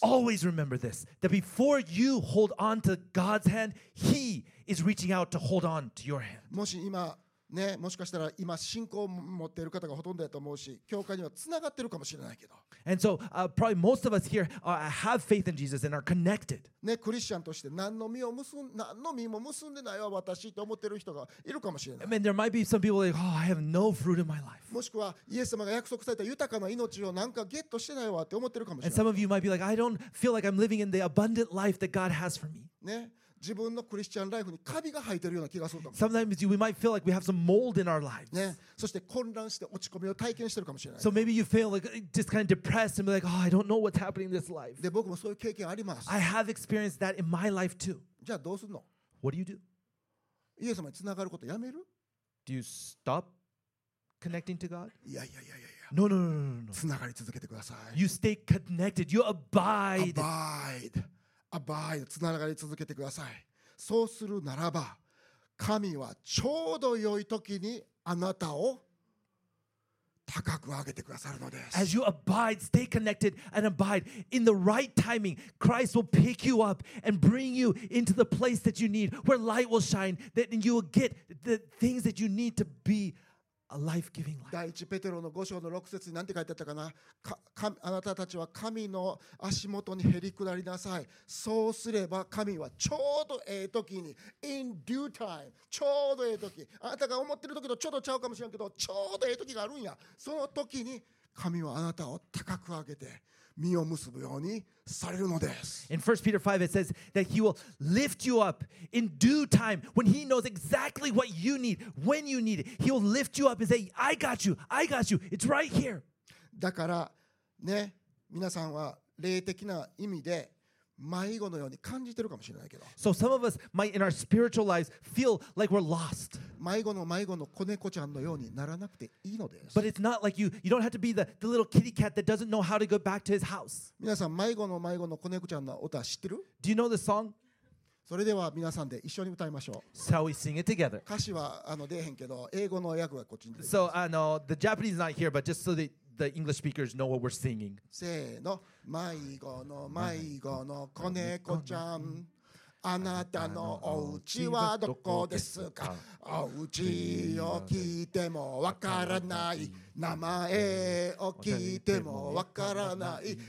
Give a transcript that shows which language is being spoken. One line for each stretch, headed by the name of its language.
English: Always remember this: that before you hold on to God's hand, He is reaching out to hold on to your hand.
Japanese: もし今ね、もしかしたら今信仰を持っている方がほとんどだと思うし、教会にはつながっているかもしれないけど。
English: And so, probably most of us here have faith in Jesus and are connected.
Japanese: ね、クリスチャンとして何の実も結んでないわ私と思っている人がいるかもしれない。
English: I mean, there might be some people like, oh, I have no fruit in my life.
Japanese: もしくはイエス様が約束された豊かな命をなんかゲットしてないわって思ってるかもしれない。
English: And some of you might be like, I don't feel like I'm living in the abundant life that God has for me. ね。
Japanese: 自分のクリスチャンライフにカビが生えてるような気がすると思う。
English: Sometimes we might feel like we have some mold in our lives.
Japanese: ね、そして混乱して落ち込みを体験してるかもしれない。
English: So maybe you feel like just kind of depressed and be like, oh, I don't know what's happening in this life.
Japanese: で、僕もそういう経験あります。
English: I have experienced that in my life too.
Japanese: じゃあどうするの？
English: What do you do?
Japanese: イエス様につながることやめる？
English: Do you stop connecting to God?
Japanese: いやいやいやいや。
English: No, no, no, no, no.
Japanese: つながり続けてください。
English: You stay connected. You abide. Abide.
Japanese: アバイドつながり続けてください。そうするならば、神はちょうど良い時にあなたを高く上げてくださるのです。
English: As you abide, stay connected and abide in the right timing, Christ will pick you up and bring you into the place that you need, where light will shine, that you will get the things that you need to be. A life-giving life.
Japanese: 第1ペテロの5章の6節に何て書いてあったかな。あなたたちは神の足元にへり下りなさい。そうすれば神はちょうどええ時に
English: In due time
Japanese: ちょうどええ時あなたが思ってる時とちょっとちゃうかもしれんけどちょうどええ時があるんや。その時に神はあなたを高く上げて身を結ぶようにされるのです。
English: In 1 Peter 5 it says that he will lift you up in due time when he knows exactly what you need, when you need it. He will lift you up and say, I got you, I got you. It's right here.
Japanese: だからね、皆さんは霊的な意味で迷子のように感じてるかもしれないけど。
English: So some of us might in our spiritual lives feel like we're lost.
Japanese: 迷子の子猫ちゃんのようにならなくていいのです。
English: But it's not like you don't have to be the little kitty cat that doesn't know how to go back to his house.
Japanese: 皆さん迷子の子猫ちゃんの歌知ってる？
English: Do you know the song?
Japanese: それでは皆さんで一緒に歌いましょう。
English: So we sing it together.
Japanese: 歌詞は出へんけど英語の訳はこっちに出てます。
English: So the Japanese is not here, but just so the English speakers know what we're singing.
Japanese: せーの。迷子の迷子の子猫ちゃん、あなたのお家はどこですか？お家を聞いてもわからない、名前を聞いてもわからない。